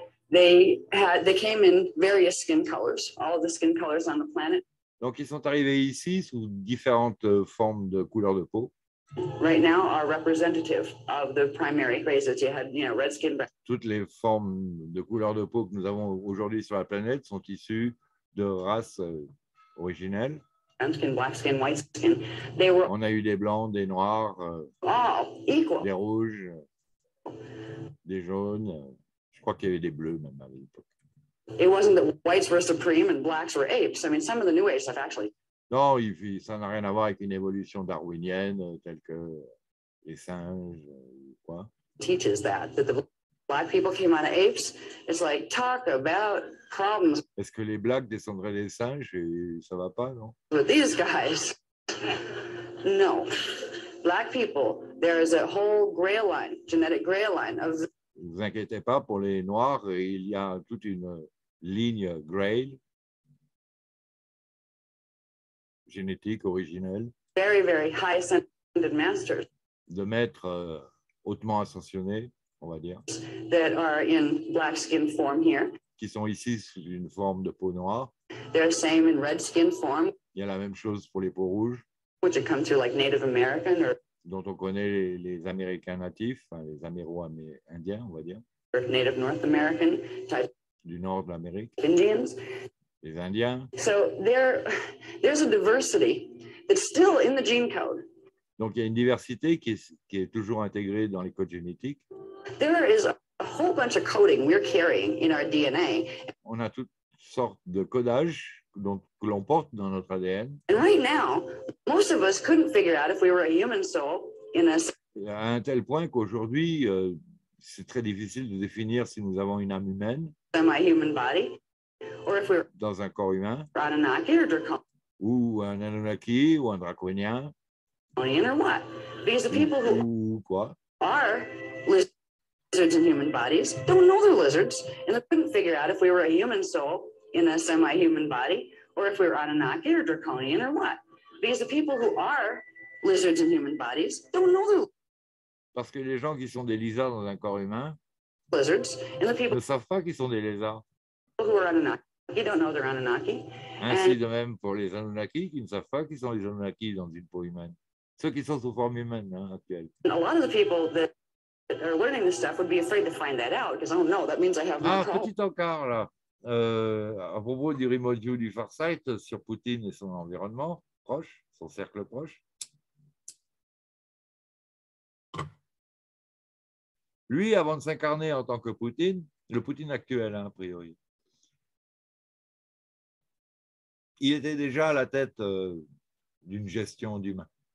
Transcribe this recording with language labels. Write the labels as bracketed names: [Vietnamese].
[English] They came in various skin colors, all the skin colors on the planet. [French] Donc, ils sont arrivés ici sous différentes formes de couleurs de peau. [English] Right now, are representative of the primary races. You had, you know, red skin. [French] Toutes les formes de couleurs de peau que nous avons aujourd'hui sur la planète sont issues de races originelles. [English] Red skin, black skin, white skin. They were. [French] On a eu des blancs, des noirs. [English] Equal. [French] Des rouges, des jaunes. Je crois qu'il y avait des bleus même à l'époque. [English] It wasn't that whites were supreme and blacks were apes. I mean, some of the new age stuff actually. [French] Non, ça n'a rien à voir avec une évolution darwinienne telle que les singes ou quoi. [English] Teaches that the black people came out of apes. It's like talk about problems. [French] Est-ce que les blacks descendraient des singes et ça va pas, non? [English] But these guys, no, black people. There is a whole gray line, genetic gray line of [French] vous inquiétez pas pour les noirs, il y a toute une ligne Grail génétique originelle. [English] Very, very high ascended masters. [French] De maîtres hautement ascensionnés, on va dire. [English] That are in black skin form here. [French] Qui sont ici sous une forme de peau noire. [English] They're the same in red skin form. [French] Il y a la même chose pour les peaux rouges. [English] Which it comes to like Native American or [French] dont on connaît les Américains natifs, enfin les Amérindiens, on va dire. [English] Native North American type. [French] Du nord de l'Amérique. [English] Indians. [French] Les Indiens. [English] So there's a diversity that's still in the gene code. [French] Donc il y a une diversité qui est toujours intégrée dans les codes génétiques. [English] There is a whole bunch of coding we're carrying in our DNA. [French] On a toutes sortes de codages donc que l'on porte dans notre ADN. [English] And right now, most of us couldn't figure out if we were a human soul in us. [French] À un tel point qu'aujourd'hui, c'est très difficile de définir si nous avons une âme humaine. [English] In my human body, or if we're [French] dans un corps humain. [English] Anunnaki or Draconian. [French] Ou un Anunnaki ou un Draconien. [English] Or what? Because the people who [French] quoi? [English] Are lizards in human bodies don't know they're lizards, and they couldn't figure out if we were a human soul in a semi-human body, or if we were Anunnaki or Draconian or what? Because the people who are lizards in human bodies don't know they're [French] parce que les gens qui sont des lizards dans un corps humain [English] lizards, and the people [French] ne savent pas qu'ils sont des lézards. [English] Who are Anunnaki? You don't know they're Anunnaki. [French] Ainsi de même pour les Anunnaki qui ne savent pas qu'ils sont les Anunnaki dans une peau humaine. Ceux qui sont sous forme humaine hein, actuelle. [English] A lot of the people that are learning this stuff would be afraid to find that out because I don't know. That means I have [French] no petit encart là. À propos du remote view du Farsight sur Poutine et son environnement proche, son cercle proche. Lui, avant de s'incarner en tant que Poutine, le Poutine actuel hein, a priori, il était déjà à la tête d'une gestion d'humains.